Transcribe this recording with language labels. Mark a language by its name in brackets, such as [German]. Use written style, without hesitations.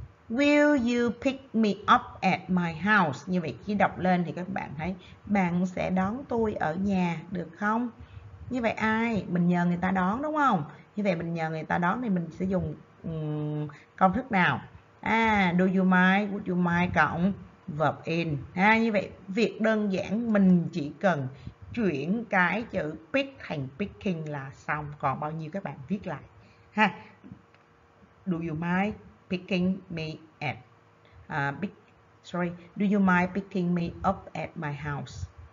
[English] Will you pick me up at my house? [Vietnamese] Như vậy, khi đọc lên thì các bạn thấy bạn sẽ đón tôi ở nhà được không? Như vậy ai? Mình nhờ người ta đón đúng không? Như vậy mình nhờ người ta đón thì mình sẽ dùng công thức nào? [English] Do you mind? Would you mind? [Vietnamese] Cộng verb in. Như vậy việc đơn giản, mình chỉ cần chuyển cái chữ pick thành picking là xong. Còn bao nhiêu các bạn viết lại ha. [English] Do you mind picking me at do you mind picking me up at my house?